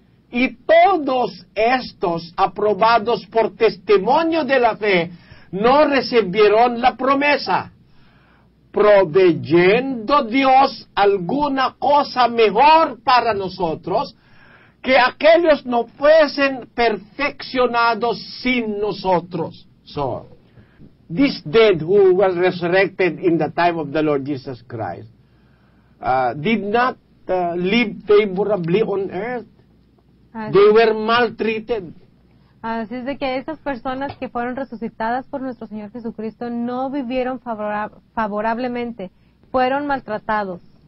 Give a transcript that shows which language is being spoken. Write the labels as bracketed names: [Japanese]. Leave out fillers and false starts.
[Spanish] Y todos estos, aprobados por testimonio de la fe, no recibieron la promesa, proveyendo Dios alguna cosa mejor para nosotros, que aquellos no fuesen perfeccionados sin nosotros. [English] So, this dead who was resurrected in the time of the Lord Jesus Christ did not live favorably on earth. [Spanish] Así. [English] They were maltreated. [Spanish] Así es de que esas personas que fueron resucitadas por nuestro Señor Jesucristo no vivieron favorablemente, fueron maltratados.